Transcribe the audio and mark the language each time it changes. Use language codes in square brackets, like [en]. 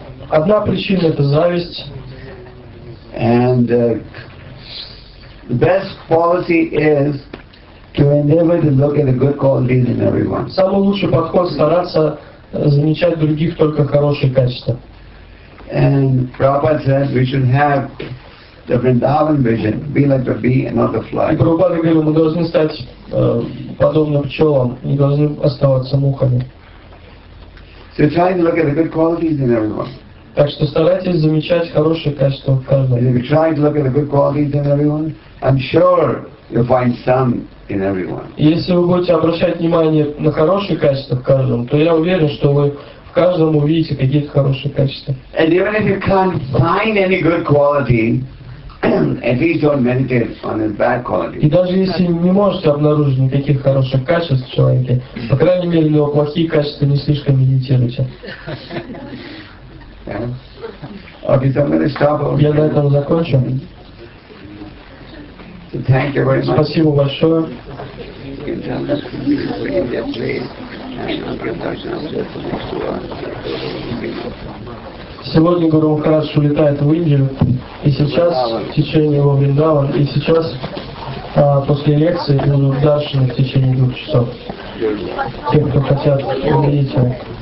[ru] Одна причина – это зависть. [en] And the best policy is to endeavor to look at the good qualities in everyone. [ru] Самый лучший подход – стараться замечать других только хорошие качества. [en] And Prabhupada says we should have the Vrindavan vision, be like the bee and not the fly. [ru] Прабхупада говорил, мы должны стать подобным пчелам, не должны оставаться мухами. [en] So try to look at the good qualities in everyone. [ru] Так что старайтесь замечать хорошие качества в каждом. [en] If you try to look at the good qualities in everyone, I'm sure you'll find some in everyone. [ru] Если вы будете обращать внимание на хорошие качества в каждом, то я уверен, что вы в каждом увидите какие-то хорошие качества. [en] And even if you can't find any good quality, at least don't meditate on his bad qualities. [ru] И даже если не можете обнаружить никаких хороших качеств в человеке, по крайней мере, его плохие качества не слишком медитируйте. [en] Yeah. Okay, so I'm going to stop. Okay. [ru] Я на этом закончу. [en] So thank you very much. [ru] Спасибо большое. [en] You can tell us if you can bring that plate and I'll get a next to [ru] Сегодня Гуру Махарадж улетает в Индию, и сейчас, в течение его Вриндава, и сейчас, после лекции, будут даршаны в течение 2 часов. Те, кто хотят, увидеть его.